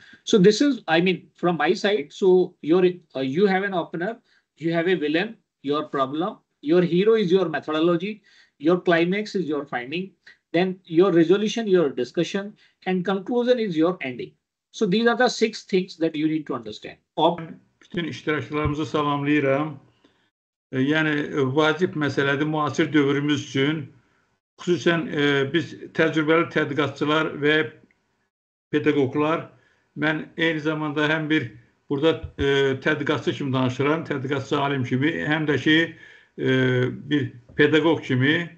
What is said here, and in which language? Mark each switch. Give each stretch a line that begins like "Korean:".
English: So this is, I mean, from my side, so you have an opener, you have a villain, your problem, your hero is your methodology, your climax is your finding, then your resolution, your discussion, and conclusion is your ending. So these are the six things that you need to understand.
Azerbaijani: Bütün iştirakçılarımızı salamlayıram. Yani vacib məsələdir müasir dövrümüz üçün. Xüsusən biz təcrübəli tədqiqatçılar və pedagoglar. Mən eyni zamanda həm bir burada tədqiqatçı kimi danışıram, tədqiqatçı alim kimi, həm də ki bir pedagog kimi.